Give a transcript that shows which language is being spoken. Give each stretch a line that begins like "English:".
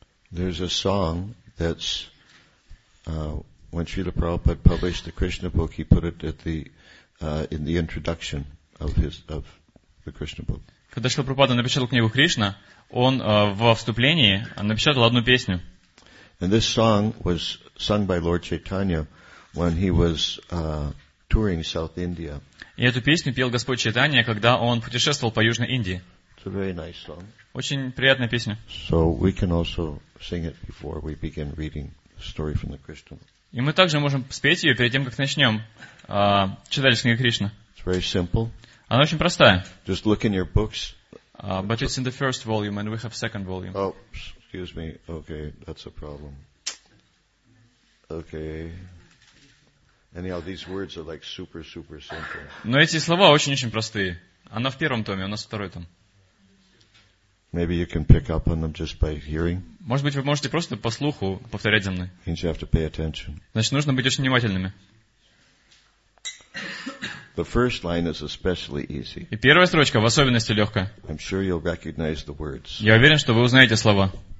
English: There's a song that's when Srila Prabhupada published the Krishna book, he put it at the in the introduction. of the Krishna book.
Russian: Когда Шрила Прабхупада напечатал книгу Кришна, он во вступлении напечатал одну песню.
English: And this song was sung by Lord Chaitanya when he was touring South India.
Russian: И эту песню пел Господь Чайтанья, когда он путешествовал по Южной Индии.
English: It's a very nice song.
Russian: Очень приятная песня.
English: So we can also sing it before we begin reading the story from the Krishna.
Russian: И мы также можем спеть ее перед тем, как начнем читать книгу Кришна.
English: It's very simple.
Russian: Она очень простая.
English: Just look in your books. But it's in the first volume, and we have second volume. Oh, excuse me. Okay, that's a problem. Okay. Anyhow, these words are like super, super simple.
Russian: Но эти слова очень-очень простые. Она в первом томе, у нас второй том.
English: Maybe you can pick up on them just by hearing.
Russian: Может быть, вы можете просто по слуху повторять за мной.
English: Means you have to pay attention.
Russian: Значит, нужно быть очень внимательными.
English: The first line is especially easy.
Russian: И первая строчка в особенности легкая.
English: I'm sure you'll recognize the words.
Russian: Я уверен, что вы узнаете слова.